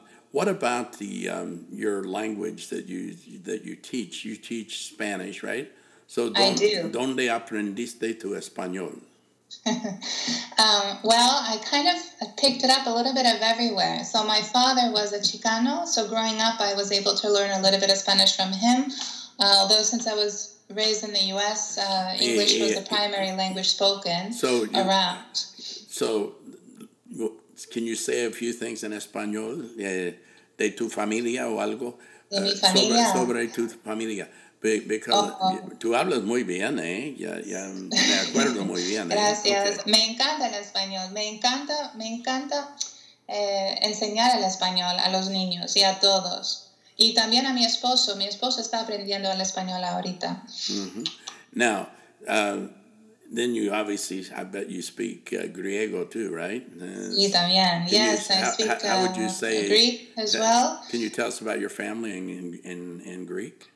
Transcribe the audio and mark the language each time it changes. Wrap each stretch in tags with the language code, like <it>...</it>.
<en>What about the your language that you teach? You teach Spanish, right? So</en> <es>¿Dónde aprendiste tu español?</es> <en>I kind of picked it up a little bit of everywhere. So my father was a Chicano, so growing up I was able to learn a little bit of Spanish from him, although since I was raised in the U.S., English was the primary language spoken around. So, can you say a few things in español?</en> <es>De tu familia o algo? De mi familia. Sobre tu familia.</es> <en>Because</en> <es>tú hablas muy bien, ¿eh? Ya me acuerdo muy bien. Gracias. Okay. Me encanta el español. Me encanta enseñar el español a los niños y a todos. Y también a mi esposo. Mi esposo está aprendiendo el español ahorita.</es> <en>Mm-hmm. Now, then you obviously, I bet you speak griego too, right? Yes, I speak how would you say Greek as well. Can you tell us about your family in Greek?</en>